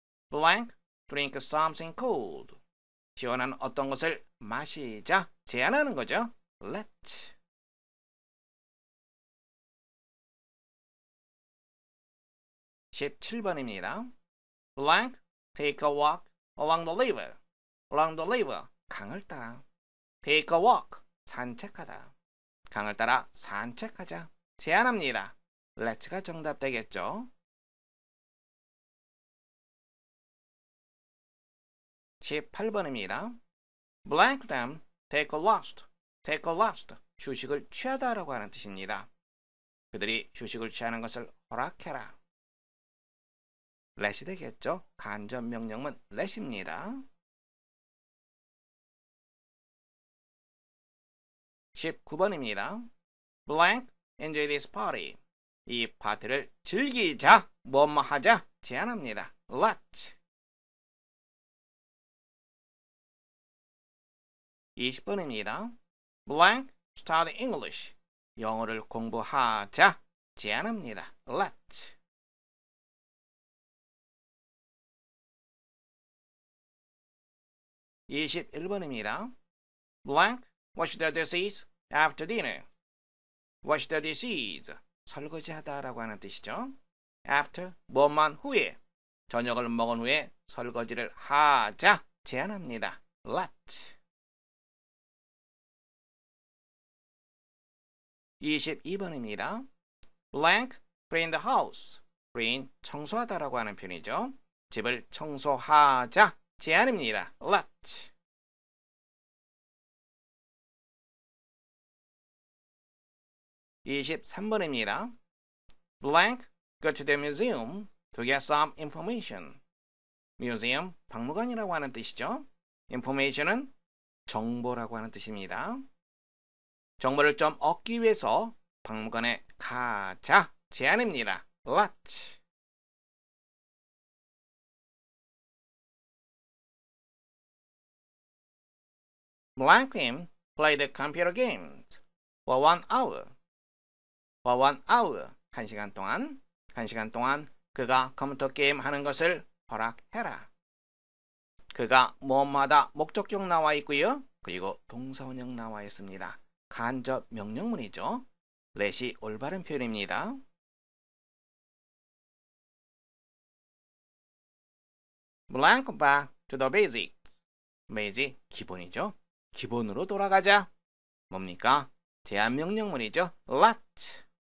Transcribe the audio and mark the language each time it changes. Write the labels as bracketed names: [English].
[English] blank, drink something cold. [Korean] 시원한 어떤 것을 마시자 제안하는 거죠. [English] let. [Korean] 17번입니다. [English] blank, take a walk along the river. along the river, [Korean] 강을 따라. [English] take a walk, [Korean] 산책하다. 강을 따라 산책하자. 제안합니다. let's가 정답 되겠죠. 18번입니다. [English] blank them, take a rest. take a rest, [Korean] 휴식을 취하다 라고 하는 뜻입니다. 그들이 휴식을 취하는 것을 허락해라. let이 되겠죠. 간접 명령문 let입니다. 19번입니다. [English] blank, enjoy this party. [Korean] 이 파티를 즐기자, 뭐뭐 하자, 제안합니다. [English] let. [Korean] 20번입니다. [English] blank, study English. [Korean] 영어를 공부하자, 제안합니다. [English] let. [Korean] 21번입니다. [English] blank, wash the dishes after dinner. wash the dishes, [Korean] 설거지하다 라고 하는 뜻이죠. after, 뭐만 후에, 저녁을 먹은 후에 설거지를 하자, 제안합니다. [English] let. [Korean] 22번입니다. [English] blank, clean the house. [Korean] clean, 청소하다 라고 하는 표현이죠. 집을 청소하자, 제안입니다. [English] let. [Korean] 23번입니다. [English] blank, go to the museum to get some information. [Korean] museum, 박물관이라고 하는 뜻이죠. information은 정보라고 하는 뜻입니다. 정보를 좀 얻기 위해서 박물관에 가자, 제안입니다. [English] let. 블랭크임, play the computer games for one hour. For one hour, [Korean] 한 시간 동안 그가 컴퓨터 게임 하는 것을 허락해라. 그가 무엇마다 목적격 나와 있고요. 그리고 동사원형 나와 있습니다. 간접 명령문이죠. let이 올바른 표현입니다. [English] 블랭 back to the basics. [Korean] basic, 기본이죠. 기본으로 돌아가자. 뭡니까? 제안 명령문이죠. let's.